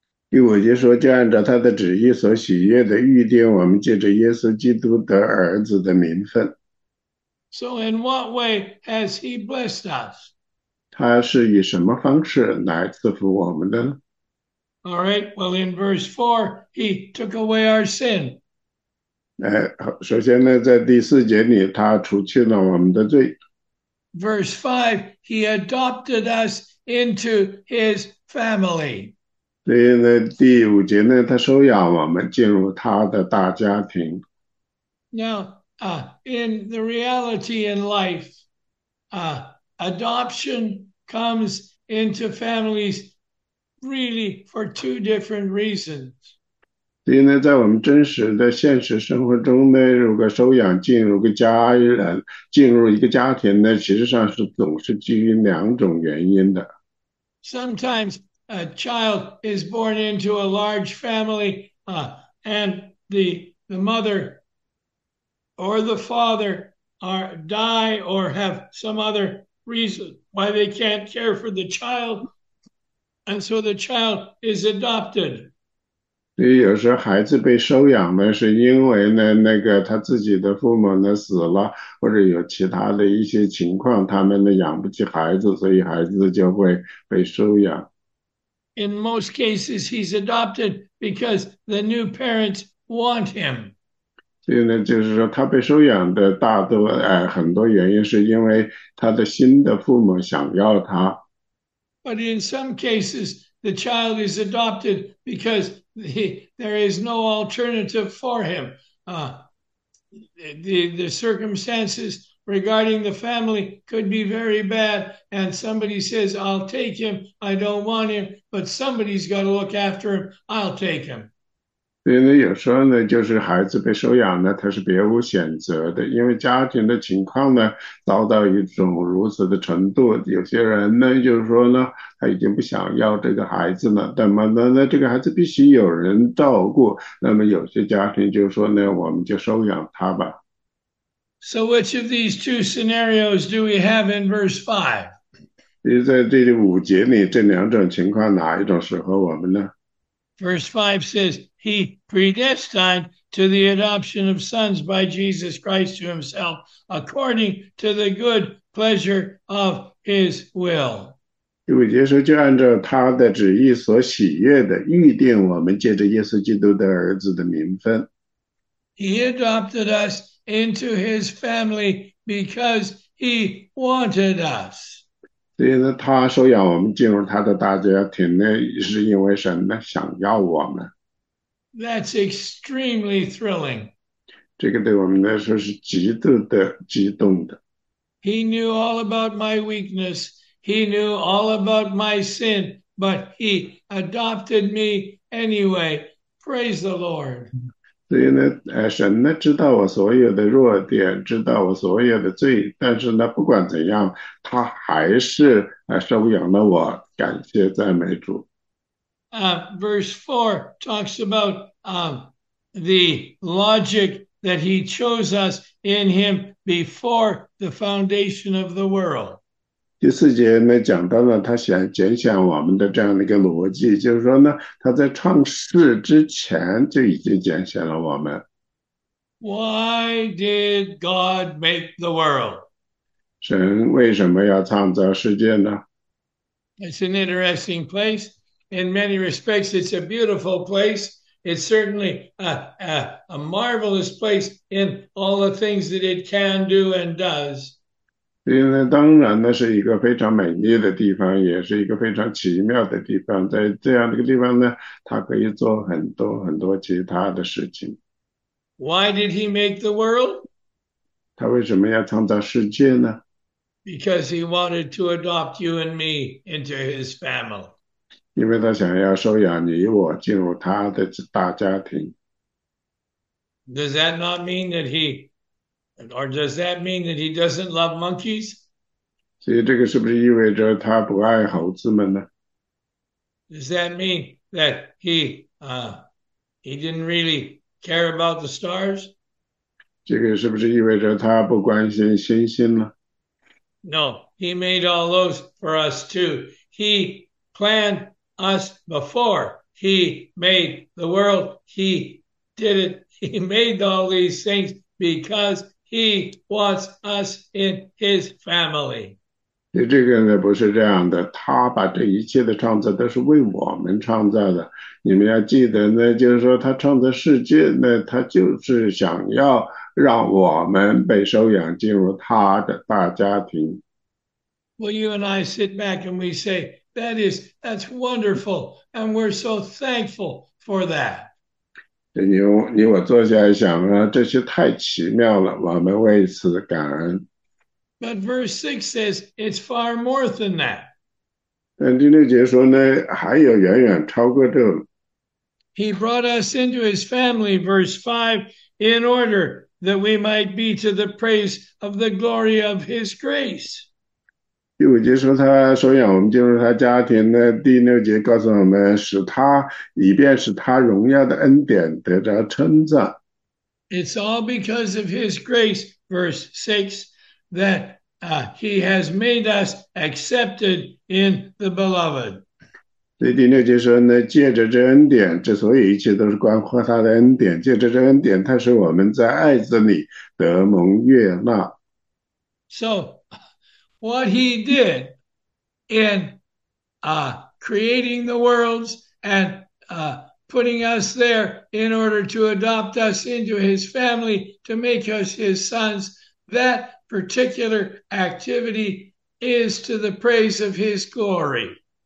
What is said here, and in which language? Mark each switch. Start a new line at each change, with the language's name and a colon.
Chinese: 第五节说，就按照他的旨意所喜悦的预定我们，借着耶稣基督的儿子的名分。
English: So, in what way has he blessed us?
Chinese: 他是以什么方式来赐福我们的呢？
English: All right, well, in verse 4, he took away our sin.
Chinese: 首先呢，在第四节里，他除去了我们的罪。
English: Verse 5, he adopted us into his family.
Chinese: 所以呢，第五节呢，他收养我们进入他的大家庭。
English: Now, in the reality in life, adoption comes into families really for two different reasons.
Chinese: 所以呢，在我们真实的现实生活中呢，如果收养进入个家人，进入一个家庭呢，其实上是总是基于两种原因的。
English: Sometimes a child is born into a large family, and the mother or the father are die or have some other reason why they can't care for the child, and so the child is adopted.
Chinese: 所以有时候孩子被收养呢，是因为呢，那个他自己的父母呢死了，或者有其他的一些情况，他们呢养不起孩子，所以孩子就会被收养。
English: In most cases, he's adopted because the new parents want him.
Chinese: 所以呢，就是说他被收养的大多，很多原因是因为他的新的父母想要他。
English: But in some cases, the child is adopted because there is no alternative for him. The circumstances regarding the family could be very bad, and somebody says, I'll take him, I don't want him, but somebody's got to look after him, I'll take him.
Chinese: 所以呢，有时候呢，就是孩子被收养呢，他是别无选择的，因为家庭的情况呢，遭到一种如此的程度，有些人呢，就是说呢，他已经不想要这个孩子了，那么这个孩子必须有人照顾，那么有些家庭就是说呢，我们就收养他吧。
English: So, which of these two scenarios do we have in verse 5?
Chinese: 因为在这五节里，这两种情况哪一种适合我们呢？
English: Verse 5 says, He predestined to the adoption of sons by Jesus Christ to himself according to the good pleasure of his will.
Chinese: 我接受，就按照他的旨意所喜悦的预定，我们借着耶稣基督的儿子的名分。
English: He adopted us into his family because he wanted us.
Chinese: 所以呢，他收养我们进入他的大家庭呢，是因为神呢想要我们。
English: That's extremely thrilling.
Chinese: 这个对我们来说是极度的激动的。
English: He knew all about my weakness, he knew all about my sin, but he adopted me anyway. Praise the Lord.
Chinese: 所以呢，神呢知道我所有的弱点，知道我所有的罪，但是呢，不管怎样，他还是收养了我，感谢赞美主。
English: Verse 4 talks about the logic that he chose us in him before the foundation of the world.
Chinese: 第四节呢，讲到了他拣选我们的这样的一个逻辑，就是说呢，他在创世之前就已经拣选了我们。
English: Why did God make the world?
Chinese: 神为什么要创造世界呢？
English: It's an interesting place. In many respects, it's a beautiful place. It's certainly a marvelous place in all the things that it can do and does.
Chinese: 所以呢，当然呢，是一个非常美丽的地方，也是一个非常奇妙的地方。在这样的一个地方呢，它可以做很多很多其他的事情。
English: Why did he make the world?
Chinese: 他为什么要创造世界呢？
English: Because he wanted to adopt you and me into his family.
Chinese: 因为他想要收养你我进入他的大家庭。
English: Does that not mean that he, or does that mean that he doesn't love monkeys?
Chinese: 所以这个是不是意味着他不爱猴子们呢？
English: Does that mean that he didn't really care about the stars?
Chinese: 这个是不是意味着他不关心星星呢？
English: No, he made all those for us too. He planned us before he made the world. He did it. He made all these things because he wants us in his family.
Chinese: 这个呢不是这样的，他把这一切的创造都是为我们创造的。你们要记得呢，就是说他创造世界呢，他就是想要让我们被收养进入他的大家庭。
English: Well, you and I sit back and we say, that's wonderful. And we're so thankful for that.
Chinese: 你我坐下来想啊，这些太奇妙了，我们为此感恩。
English: But verse 6 says it's far more than that.
Chinese: 但第六节说呢，还有远远超过这。
English: He brought us into his family, verse 5, in order that we might be to the praise of the glory of his grace.
Chinese: 第五节说他收养我们进入他家庭呢，第六节告诉我们，使他以便使他荣耀的恩典得着称赞。
English: It's all because of his grace, verse 6, that he has made us accepted in the beloved.
Chinese: 所以第六节说呢，借着这恩典，之所以一切都是关乎他的恩典，借着这恩典，他使我们在爱子里得蒙悦纳。
English: So, what he did in creating the worlds and putting us there in order to adopt us into his family, to make us his sons, that particular activity is to the praise of his glory.